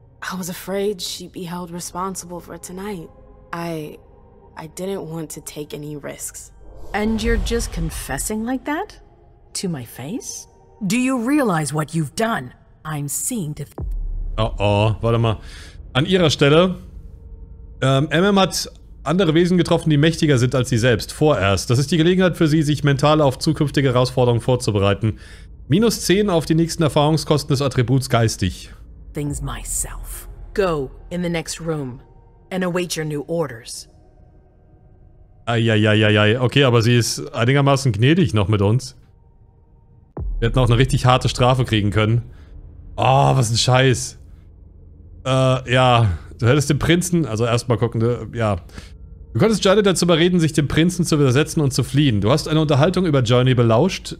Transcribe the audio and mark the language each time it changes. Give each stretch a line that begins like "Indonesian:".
English: I was afraid she'd be held responsible for tonight. I didn't want to take any risks. And you're just confessing like that? To my face? Do you realize what you've done? I'm seeing to...
German: Oh, warte mal. An ihrer Stelle. MM hat andere Wesen getroffen, die mächtiger sind als sie selbst. Vorerst. Das ist die Gelegenheit für sie, sich mental auf zukünftige Herausforderungen vorzubereiten. Minus 10 auf die nächsten Erfahrungskosten des Attributs geistig.
English: Things myself. Go in the next room and await your new orders.
German: Eieieiei, okay, aber sie ist einigermaßen gnädig noch mit uns. Wir hätten auch eine richtig harte Strafe kriegen können. Oh, was ein Scheiß. Ja, du hättest den Prinzen, also erstmal gucken, ja. Du konntest Janet dazu überreden, sich dem Prinzen zu widersetzen und zu fliehen. Du hast eine Unterhaltung über Journey belauscht.